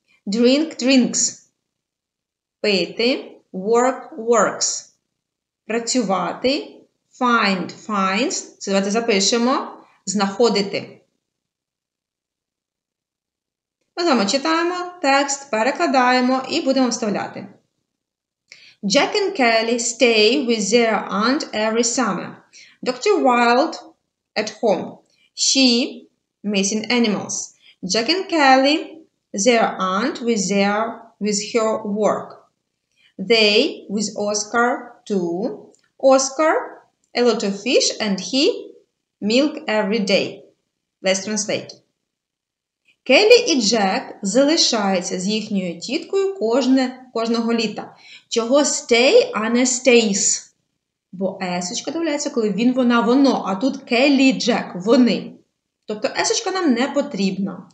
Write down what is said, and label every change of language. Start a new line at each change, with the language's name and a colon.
English: Drink, drinks.
Ukrainian: Пити.
English: Work, works.
Ukrainian: Працювати.
English: Find, finds.
Ukrainian: Це давайте запишемо. Знаходити. Ми з вами читаємо текст, перекладаємо і будемо вставляти.
English: Jack and Kelly stay with their aunt every summer. Dr. Wild at home. She missing animals. Jack and Kelly, their aunt with her work. They with Oscar too. Oscar a lot of fish and he milk every day. Let's translate.
Ukrainian: Келлі і Джек залишаються з їхньою тіткою кожного літа. Чого stay, а не stays? Бо есочка дивляється, коли він, вона, воно, а тут Келлі і Джек, вони. Тобто есочка нам не потрібна.